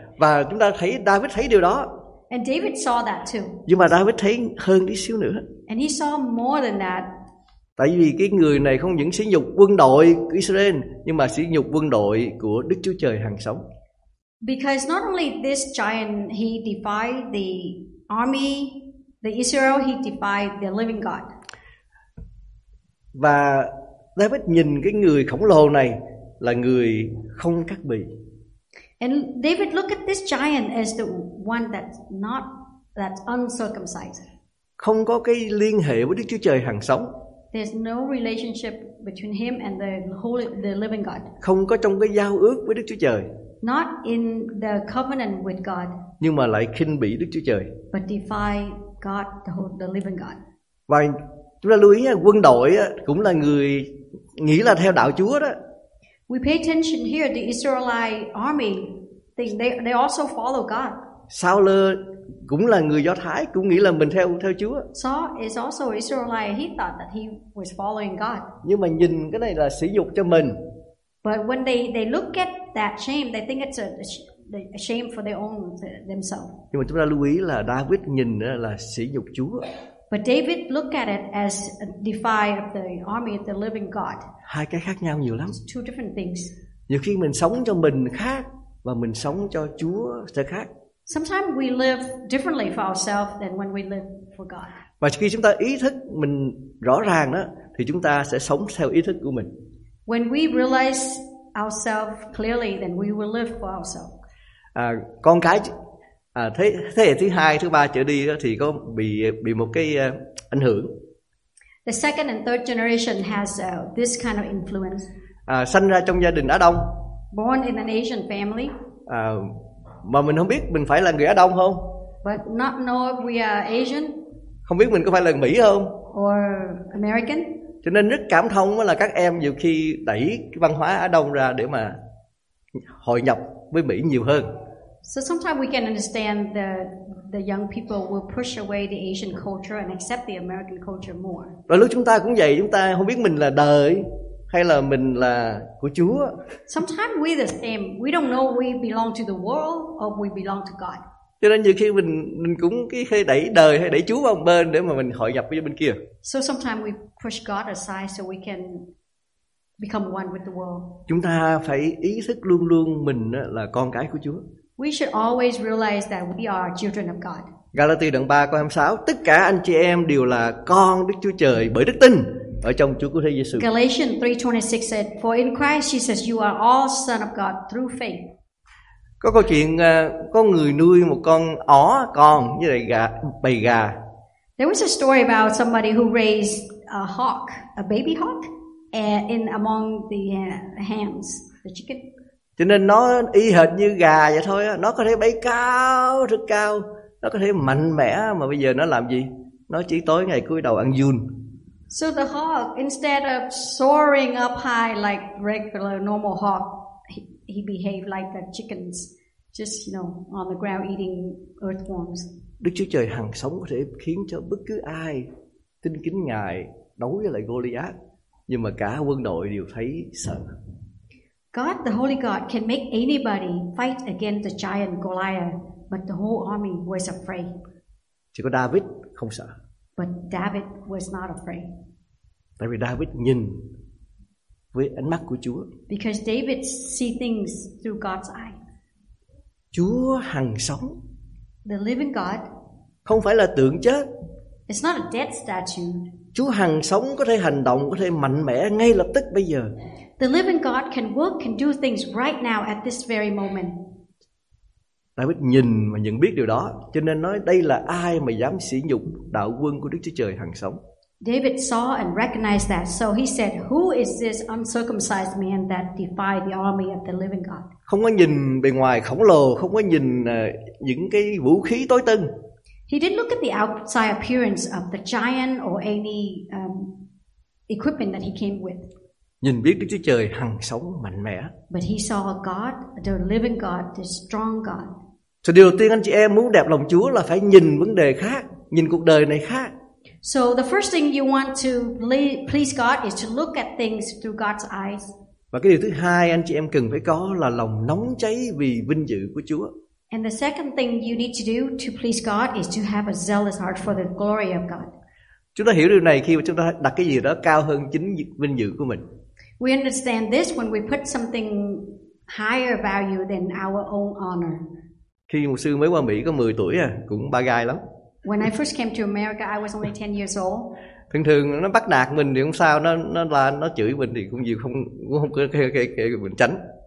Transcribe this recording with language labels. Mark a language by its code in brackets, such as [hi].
[vi] Và chúng ta thấy David thấy điều đó. [en] And David saw that too. [vi] Nhưng mà David thấy hơn đi xíu nữa. [en] And he saw more than that. [vi] Tại vì cái người này không những sỉ nhục quân đội của Israel, nhưng mà sỉ nhục quân đội của Đức Chúa Trời hàng sống. [en] Because not only this giant, he defied the army, the Israel, he defied the living God. [vi] Và David nhìn cái người khổng lồ này là người không cắt bì. [en] And David look at this giant as the one that's uncircumcised. [vi] Không có cái liên hệ với Đức Chúa Trời hằng sống. [en] There's no relationship between him and the living God. [vi] Không có trong cái giao ước với Đức Chúa Trời. [en] Not in the covenant with God. [vi] Nhưng mà lại khinh bỉ Đức Chúa Trời. [en] But defy God, the living God. [vi] Và chúng ta lưu ý quân đội cũng là người nghĩ là theo đạo Chúa đó. [en] We pay attention here. The Israelite army, they also follow God. [vi] Saul cũng là người Do Thái, cũng nghĩ là mình theo Chúa. [en] Saul is also Israelite. He thought that he was following God. [vi] Nhưng mà nhìn cái này là sỉ nhục cho mình. [en] But when they look at that shame, they think it's a shame for their own themselves. [vi] Nhưng mà chúng ta lưu ý là David nhìn là sỉ nhục Chúa. [en] But David looked at it as a defy of the army of the living God. [vi] Hai cái khác nhau nhiều lắm. [en] It's two different things. [vi] Nhiều khi mình sống cho mình khác và mình sống cho Chúa sẽ khác. [en] Sometimes we live differently for ourselves than when we live for God. [vi] Và khi chúng ta ý thức mình rõ ràng đó thì chúng ta sẽ sống theo ý thức của mình. [en] When we realize ourselves clearly, then we will live for ourselves. [vi] Con cái thế hệ thứ hai, thứ ba trở đi đó, thì có bị một cái ảnh hưởng. [en] The second and third generation has this kind of influence. [vi] Sinh ra trong gia đình Á Đông. [en] Born in an Asian family. [vi] Mà mình không biết mình phải là người Á Đông không? [en] But not know if we are Asian. [vi] Không biết mình có phải là Mỹ không? [en] Or American. [vi] Cho nên rất cảm thông là các em nhiều khi đẩy cái văn hóa Á Đông ra để mà hội nhập với Mỹ nhiều hơn. [en] So sometimes we can understand the young people will push away the Asian culture and accept the American culture more. [vi] Rồi lúc chúng ta cũng vậy, chúng ta không biết mình là đời hay là mình là của Chúa. [en] Sometimes we the same. We don't know we belong to the world or we belong to God. [vi] Cho nên nhiều khi mình cũng cái đẩy đời hay đẩy Chúa vào một bên để mà mình hội nhập với bên kia. [en] So sometimes we push God aside so we can become one with the world. [vi] Chúng ta phải ý thức luôn luôn mình là con cái của Chúa. [en] We should always realize that we are children of God. [vi] Galati đoạn 3 câu 26, tất cả anh chị em đều là con Đức Chúa Trời bởi đức tin ở trong Chúa Cứu Thế Giêsu. [en] Galatians 3:26 said, for in Christ Jesus you are all son of God through faith. [vi] Có câu chuyện có người nuôi một con ó con với lại gà, bầy gà. [en] There was a story about somebody who raised a hawk, a baby hawk, in among the hams, the chicken. [vi] Cho nên nó y hệt như gà vậy thôi á, nó có thể bay cao, rất cao, nó có thể mạnh mẽ, mà bây giờ nó làm gì? Nó chỉ tối ngày cúi đầu ăn giun. [en] So the hawk, instead of soaring up high like regular normal hawk, he behaved like the chickens, just, you know, on the ground eating earthworms. [vi] Đức Chúa Trời hằng sống có thể khiến cho bất cứ ai tin kính Ngài đấu với lại Goliath, nhưng mà cả quân đội đều thấy sợ. [en] God, the Holy God, can make anybody fight against the giant Goliath, but the whole army was afraid. [vi] Chỉ có David không sợ. [en] But David was not afraid. [vi] Tại vì David nhìn với ánh mắt của Chúa. [en] Because David see things through God's eye. [vi] Chúa hằng sống. [en] The living God. [vi] Không phải là tượng chết. [en] It's not a dead statue. [vi] Chúa hằng sống có thể hành động, có thể mạnh mẽ ngay lập tức bây giờ. [en] The living God can work, can do things right now at this very moment. [vi] David nhìn và nhận biết điều đó, cho nên nói đây là ai mà dám sỉ nhục đạo quân của Đức Chúa Trời hằng sống. [en] David saw and recognized that, so he said, who is this uncircumcised man that defied the army of the living God? [vi] Không có nhìn bề ngoài khổng lồ, không có nhìn những cái vũ khí tối tân. [en] He didn't look at the outside appearance of the giant or any equipment that he came with. [vi] Nhìn biết Đức Chúa Trời hằng sống mạnh mẽ. [en] But he saw a God, the living God, the strong God. [vi] So điều đầu tiên anh chị em muốn đẹp lòng Chúa là phải nhìn vấn đề khác, nhìn cuộc đời này khác. [en] So the first thing you want to please God is to look at things through God's eyes. [vi] Và cái điều thứ hai anh chị em cần phải có là lòng nóng cháy vì vinh dự của Chúa. [en] And the second thing you need to do to please God is to have a zealous heart for the glory of God. [vi] Chúng ta hiểu điều này khi mà chúng ta đặt cái gì đó cao hơn chính vinh dự của mình. [en] We understand this when we put something higher value than our own honor. [vi] Khi một sư mới qua Mỹ có 10 tuổi cũng ba gai lắm. [en] When I first came to America, I was only 10 years old. [vi] Thường thường nó bắt nạt mình thì không sao, nó chửi mình thì cũng nhiều không có cái mình tránh.